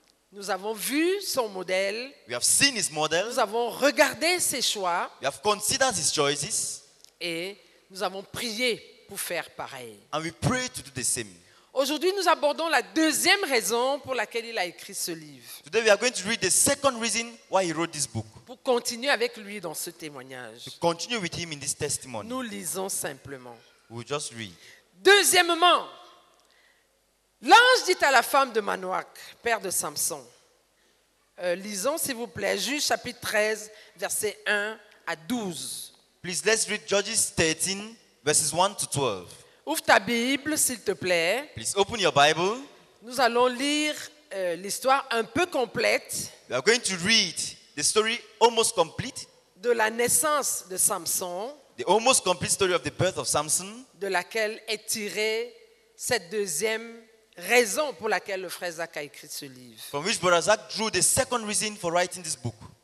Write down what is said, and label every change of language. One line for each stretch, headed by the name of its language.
French: Nous avons vu son modèle.
English: We have seen his model.
French: Nous avons regardé ses choix.
English: We have considered his choices.
French: Et nous avons prié pour faire pareil.
English: And we prayed to do the same.
French: Aujourd'hui, nous abordons la deuxième raison pour laquelle il a écrit ce livre.
English: Today we are going to read the second reason why he wrote this book.
French: Pour continuer avec lui dans ce témoignage.
English: To continue with him in this testimony.
French: Nous lisons simplement.
English: We'll just read.
French: Deuxièmement, l'ange dit à la femme de Manoac, père de Samson. Lisons s'il vous plaît, Juges chapitre 13, versets 1 à 12.
English: Please let's read Judges 13, verses 1 to 12.
French: Ouvre ta Bible, s'il te plaît.
English: Please open your Bible.
French: Nous allons lire l'histoire un peu complète.
English: We are going to read the story almost complete.
French: De la naissance de Samson.
English: The almost complete story of the birth of Samson.
French: De laquelle est tirée cette deuxième raison pour laquelle le frère Zach a écrit ce livre.
English: From which Brother Zach drew the second reason for writing this book.